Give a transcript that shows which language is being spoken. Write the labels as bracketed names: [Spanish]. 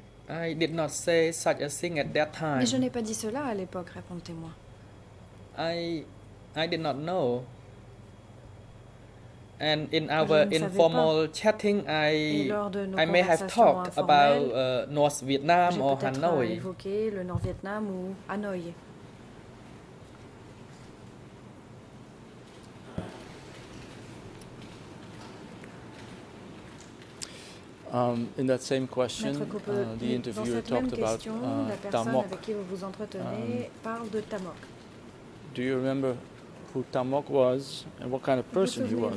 [English] I did not say such a thing at that time. [French] Mais je n'ai pas dit cela à l'époque, répondez-moi. [English] I did not know. And in our informal chatting, I may have talked about North Vietnam or Hanoi. [French] J'ai peut-être évoqué le Nord Vietnam ou Hanoi. [English] In that same question, the interviewer talked about Tamok. [French] Avec qui vous vous entretenez parle de Tamok. [English] Do you remember who Tamok was and what kind of person he was?